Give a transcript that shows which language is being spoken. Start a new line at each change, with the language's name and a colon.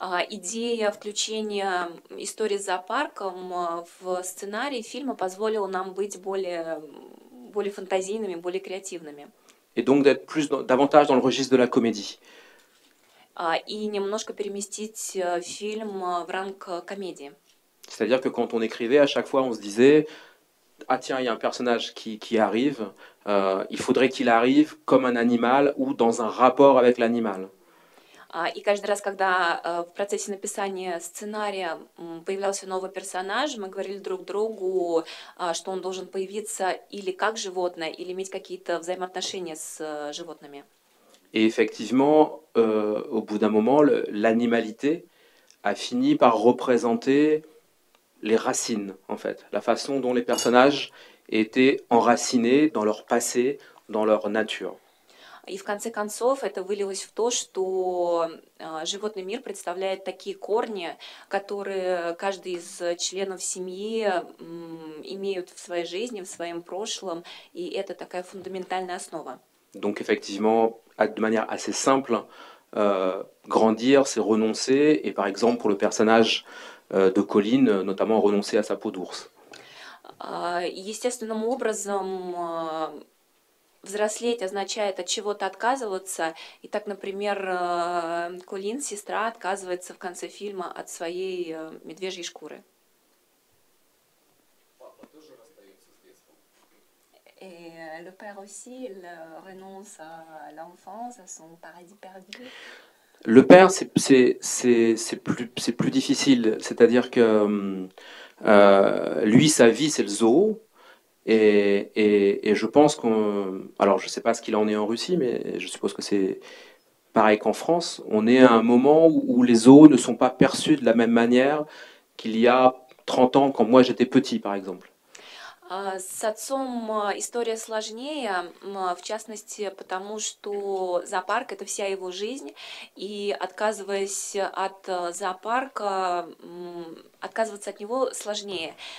Russian: Идея включения истории с зоопарком в сценарий фильма позволила нам быть более фантазийными, более креативными.
French: Et donc d'être plus davantage dans le registre de la comédie.
Russian: И немножко переместить фильм в ранг комедии.
French: C'est-à-dire que quand on écrivait, à chaque fois, on se disait, ah tiens, il y a un personnage qui arrive. Il faudrait qu'il arrive comme un animal ou dans un rapport avec l'animal.
Russian: И каждый раз, когда в процессе написания сценария появлялся новый персонаж, мы говорили друг другу, что он должен появиться или как животное, или иметь какие-то взаимоотношения с животными.
French: И effectivement, au bout d'un moment, l'animalité a fini par représenter les racines, en fait, la façon dont les personnages étaient enracinés dans leur passé, dans leur nature.
Russian: И в конце концов это вылилось в то, что животный мир представляет такие корни, которые каждый из членов семьи имеют в своей жизни, в своем прошлом, и это такая фундаментальная основа.
French: Donc effectivement, de manière assez simple, grandir, c'est renoncer, et par exemple pour le personnage de Colin, notamment renoncer à sa peau d'ours.
Russian: Естественным образом взрослеть означает от чего-то отказываться. И так, например, Колин, сестра, отказывается в конце фильма от своей медвежьей шкуры. Папа тоже расстается с детством.
French: Le père aussi, il renonce à l'enfance, à son paradis perdu. Le père, c'est plus difficile. C'est-à-dire que lui, sa vie, c'est le zoo. Et je pense qu'on... Alors, je ne sais pas ce qu'il en est en Russie, mais je suppose que c'est pareil qu'en France, on est à un moment où les os ne sont pas perçus de la même manière qu'il y a 30 ans, quand moi j'étais petit, par exemple.
Russian: С отцом история сложнее, в частности, потому что зоопарк – это вся его жизнь, и отказываясь от зоопарка, отказываться от него сложнее.